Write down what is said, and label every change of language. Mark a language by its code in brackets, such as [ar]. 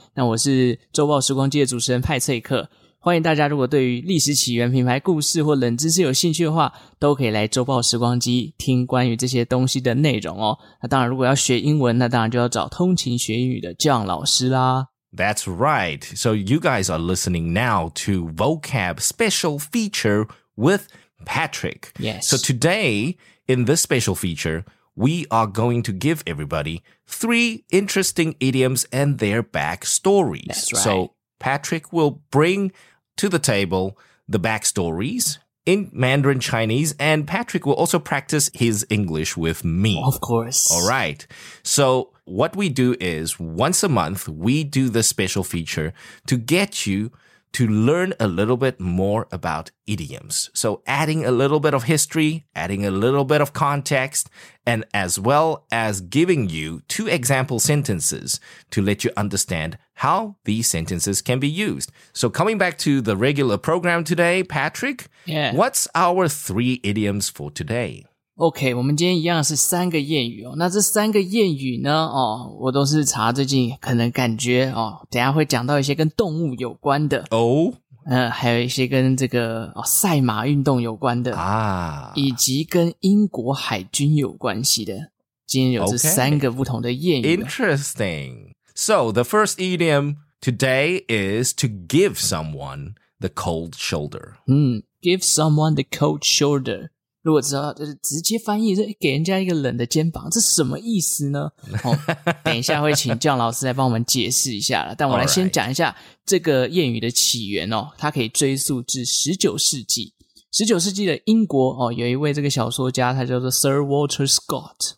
[zh] 那我是周报时光机的主持人派翠克。欢迎大家，如果对于历史起源、品牌故事或冷知识有兴趣的话，都可以来周报时光机听关于这些东西的内容哦。那当然，如果要学英文，那当然就要找通勤学英语的John老师啦。 [en] That's right. So you guys are listening now to Vocab special feature with Patrick. Yes. So today, in this special feature, we are going to give everybody three interesting idioms and their backstories. That's right. So Patrick will bring to the table the backstories in Mandarin Chinese, and Patrick will also practice his English with me. Of course. All right. So what we do is, once a month, we do this special feature to get you to learn a little bit more about idioms. So adding a little bit of history, adding a little bit of context, and as well as giving you two example sentences to let you understand how these sentences can be used. So coming back to the regular program today, Patrick, yeah. What's our three idioms for today? [zh] OK, 我们今天一样是三个谚语哦。那这三个谚语呢哦，我都是查最近可能感觉哦，等一下会讲到一些跟动物有关的。哦、oh? 还有一些跟这个哦赛马运动有关的。啊、ah. 以及跟英国海军有关系的。今天有这三个不同的谚语。 [en] Okay. Interesting. So, the first idiom today is to give someone the cold shoulder. 嗯 ,give someone the cold shoulder. [zh] 如果知道就是直接翻译，给人家一个冷的肩膀，这什么意思呢？哦、等一下会请John老师来帮我们解释一下了。但我来先讲一下这个谚语的起源哦，它可以追溯至19世纪。 19世纪的英国哦，有一位这个小说家，他叫做 Sir Walter Scott。